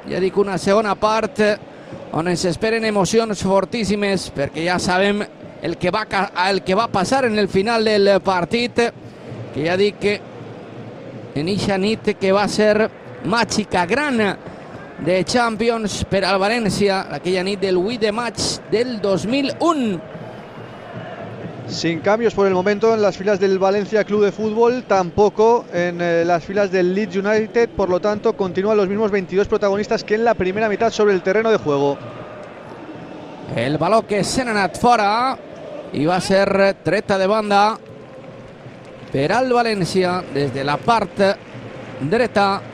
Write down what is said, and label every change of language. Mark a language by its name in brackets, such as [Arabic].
[Catalan] Ja dic, una segona part on ens esperen emocions fortíssimes, perquè ja sabem el que va passar en el final del partit, que ja dic que en eixa nit que va ser màgica, gran de Champions per al València, aquella nit del 8 de maig del 2001. [Spanish] Sin cambios por el momento en las filas del Valencia Club de Fútbol, tampoco en las filas del Leeds United, por lo tanto continúan los mismos 22 protagonistas que en la primera mitad sobre el terreno de juego. [Catalan] El balón que se n'ha anat fora i va ser treta de banda per al València des de la part dreta.